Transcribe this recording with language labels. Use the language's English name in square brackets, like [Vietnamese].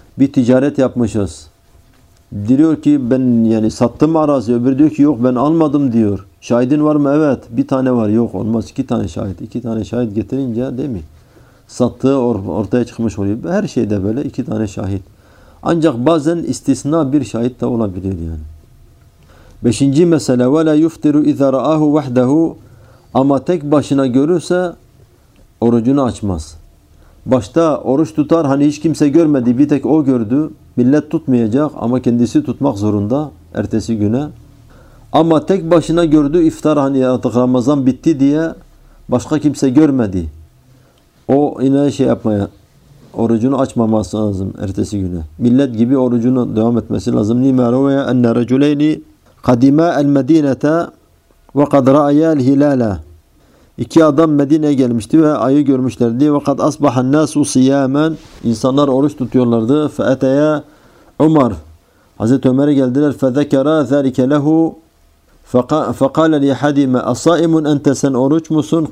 [Turkish] Bir ticaret yapmışız. Diyor ki ben yani sattım arazi, öbürü diyor ki yok ben almadım diyor. Şahidin var mı? Evet, bir tane var. Yok olmaz, iki tane şahit. İki tane şahit getirince, değil mi? Sattığı ortaya çıkmış oluyor. Her şeyde böyle iki tane şahit. Ancak bazen istisna bir şahit de olabilir yani. Beşinci mesele, [Arabic] وَلَا يُفْتِرُ اِذَا رَآهُ وَحْدَهُ. [Turkish] Ama tek başına görürse orucunu açmaz. Başta oruç tutar, hani hiç kimse görmedi, bir tek o gördü. Millet tutmayacak ama kendisi tutmak zorunda ertesi güne. Ama tek başına gördü, iftar hani artık Ramazan bitti diye başka kimse görmedi. O yine şey yapmaya, orucunu açmaması lazım ertesi güne. Millet gibi orucunu devam etmesi lazım. [Arabic] لِمَا رَوَيَا اَنَّ رَجُلَيْنِ قَدِمَا الْمَد۪ينَةَ وَقَدْ رَأَيَا الْهِلَالَ. [Turkish] İki adam Medine'ye gelmişti ve ayı görmüşlerdi. [Arabic] وَقَدْ أَصْبَحَ النَّاسُ صِيَامًا. [Turkish] İnsanlar oruç tutuyorlardı. [Arabic] فَأَتَيَا عُمَر. [Turkish] Hazreti Ömer'e geldiler. [Arabic] فَذَكَرَا ذَٰلِكَ لَهُ فَقَالَ لِيَحَدِمَا أَصَائِمٌ أَنْتَ [Turkish] سَنْ oruç musun?